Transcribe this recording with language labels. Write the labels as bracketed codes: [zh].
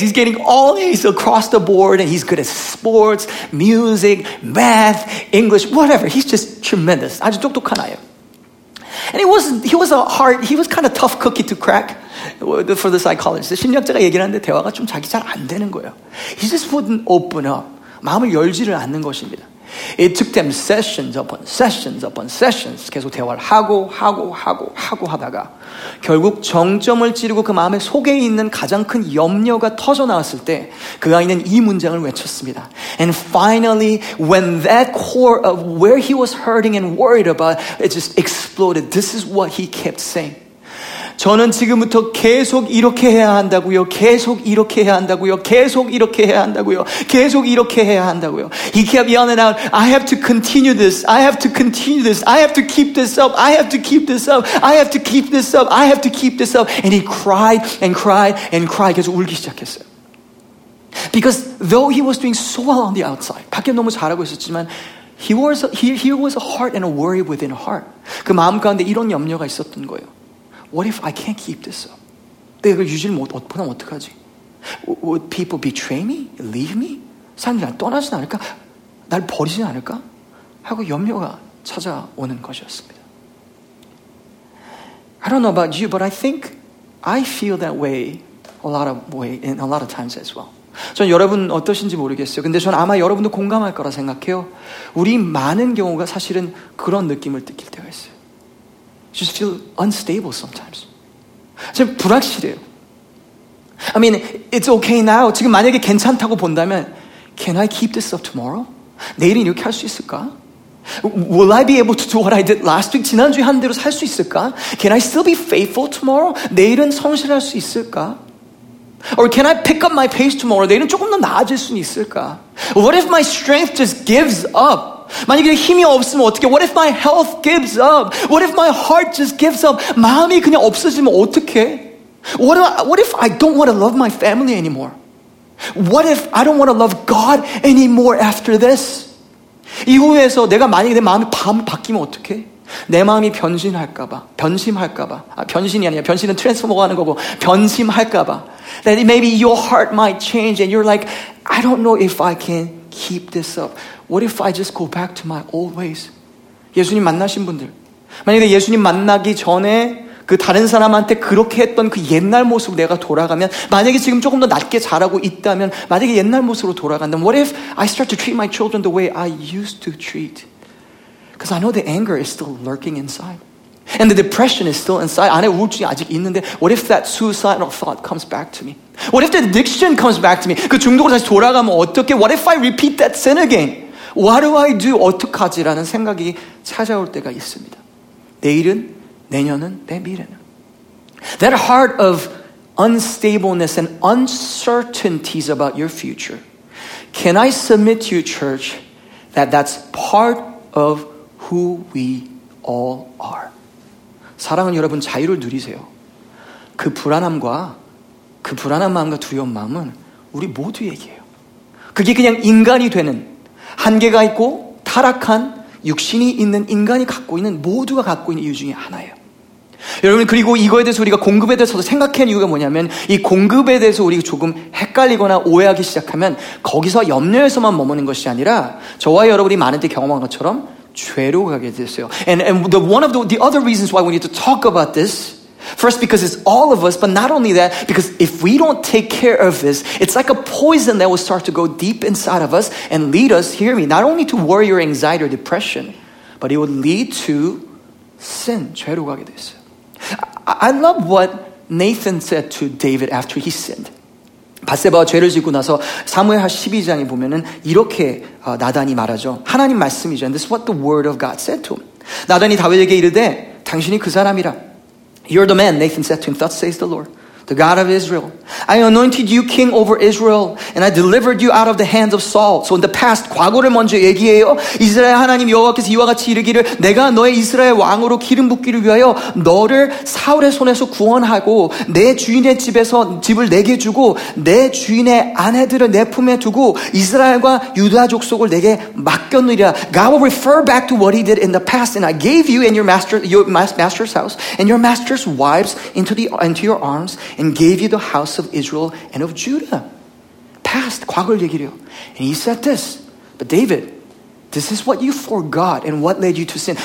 [en] He's getting all A's across the board, and he's good at sports, music, math, English, whatever. He's just tremendous. [ko] 아주 똑똑한 아이예요. [en] And he was kind of tough cookie to crack for the psychologist. [ko] 심리학자가 얘기를 하는데 대화가 좀 자기 잘 안 되는 거예요. [en] He just wouldn't open up. [ko] 마음을 열지를 않는 것입니다. [en] It took them sessions upon sessions upon sessions. [ko] 계속 대화를 하고 하다가 결국 정점을 찌르고 그 마음의 속에 있는 가장 큰 염려가 터져 나왔을 때 그 아이는 이 문장을 외쳤습니다. [en] And finally, when that core of where he was hurting and worried about, it just exploded. This is what he kept saying. [ko] 저는 지금부터 계속 이렇게 해야 한다고요. 계속 이렇게 해야 한다고요. 계속 이렇게 해야 한다고요. 계속 이렇게 해야 한다고요. [en] He kept yelling out, I have to continue this. I have to continue this. I have to keep this up. I have to keep this up. I have to keep this up. I have to keep this up. And he cried and cried and cried. [ko] 계속 울기 시작했어요. [en] Because though he was doing so well on the outside, [ko] 밖에 너무 잘하고 있었지만, [en] he was a heart and a worry within a heart. [ko] 그 마음 가운데 이런 염려가 있었던 거예요. [en] What if I can't keep this up? [ko] 내가 이걸 유지를 못 하면 어떡하지? [en] Would people betray me? Leave me? [ko] 사람들이 날 떠나진 않을까? 날 버리진 않을까? 하고 염려가 찾아오는 것이었습니다. [en] I don't know about you, but I think I feel that way a lot of times as well. [ko] 전 여러분 어떠신지 모르겠어요. 근데 전 아마 여러분도 공감할 거라 생각해요. 우리 많은 경우가 사실은 그런 느낌을 느낄 때가 있어요. [en] Just feel unstable sometimes. [ko] 지금 불확실해요. [en] I mean, it's okay now. [ko] 지금 만약에 괜찮다고 본다면, [en] Can I keep this up tomorrow? [ko] 내일은 이렇게 할 수 있을까? [en] Will I be able to do what I did last week? [ko] 지난주에 한 대로 살 수 있을까? [en] Can I still be faithful tomorrow? [ko] 내일은 성실할 수 있을까? [en] Or can I pick up my pace tomorrow? [ko] 내일은 조금 더 나아질 수 있을까? [en] What if my strength just gives up? [ko] 만약에 힘이 없으면 어떻게? [en] What if my health gives up? What if my heart just gives up? [ko] 마음이 그냥 없어지면 어떻게? [en] What if I don't want to love my family anymore? What if I don't want to love God anymore after this? [ko] 이후에서 내가 만약에 내 마음이 바뀌면 어떻게? 내 마음이 변신은 트랜스포머가 하는 거고 변심할까봐. [en] That maybe your heart might change and you're like, I don't know if I can keep this up. What if I just go back to my old ways? [ko] 예수님 만나신 분들, 만약에 예수님 만나기 전에 그 다른 사람한테 그렇게 했던 그 옛날 모습으로 내가 돌아가면, 만약에 지금 조금 더 낮게 자라고 있다면, 만약에 옛날 모습으로 돌아간다면, [en] What if I start to treat my children the way I used to treat? Because I know the anger is still lurking inside. And the depression is still inside. [ko] 안에 우울증이 아직 있는데, [en] What if that suicidal thought comes back to me? What if the addiction comes back to me? [ko] 그 중독으로 다시 돌아가면 어떻게? [en] What if I repeat that sin again? What do I do? [ko] 어떡하지? 라는 생각이 찾아올 때가 있습니다. 내일은, 내년은, 내 미래는. [en] That heart of unstableness and uncertainties about your future. Can I submit to you, church, that that's part of who we all are? [ko] 사랑하는 여러분, 자유를 누리세요. 그 불안함과 그 불안한 마음과 두려운 마음은 우리 모두에게요. 그게 그냥 인간이 되는, 한계가 있고 타락한 육신이 있는 인간이 갖고 있는 모두가 갖고 있는 이유 중에 하나예요. 여러분 그리고 이거에 대해서 우리가 공급에 대해서도 생각해야 하는 이유가 뭐냐면 이 공급에 대해서 우리가 조금 헷갈리거나 오해하기 시작하면 거기서 염려에서만 머무는 것이 아니라 저와 여러분이 많은 데 경험한 것처럼 죄로 가게 됐어요. [en] And one of the other reasons why we need to talk about this, first because it's all of us, but not only that, because if we don't take care of this, it's like a poison that will start to go deep inside of us and lead us, hear me, not only to worry or anxiety or depression, but it will lead to sin, [ko] 죄로 가게 됐어요. [en] I love what Nathan said to David after he sinned. [ko] 바세바와 죄를 짓고 나서 사무엘하 12장에 보면은 이렇게 나단이 말하죠. 하나님 말씀이죠. [en] And this is what the word of God said to him. [ko] 나단이 다윗에게 이르되 당신이 그 사람이라. [en] You're the man, Nathan said to him. Thus says the Lord, the God of Israel. I anointed you king over Israel, and I delivered you out of the hands of Saul. So in the past, [ko] 과거를 먼저 얘기해요. 이스라엘 하나님 여호와께서 이와 같이 이르기를 내가 너의 이스라엘 왕으로 기름 붓기를 위하여 너를 사울의 손에서 구원하고 내 주인의 집에서 집을 내게 주고 내 주인의 아내들을 내 품에 두고 이스라엘과 유다 족속을 내게 맡겼느니라. [en] God will refer back to what he did in the past, and I gave you and your master's house and your master's wives into your arms. And gave you the house of Israel and of Judah. Past, [ko] 과거를 얘기해요. [en] And he said this, but David, this is what you forgot and what led you to sin.